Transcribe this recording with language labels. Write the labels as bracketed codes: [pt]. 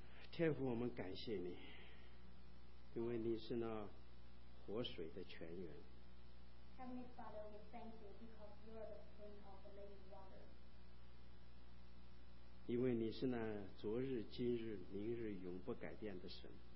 [zh] 天父，我们感谢你，因为你是那活水的泉源。 [en] Heavenly Father, we thank you because you are the spring of the living water. [zh] 因为你是那昨日、今日、明日永不改变的神。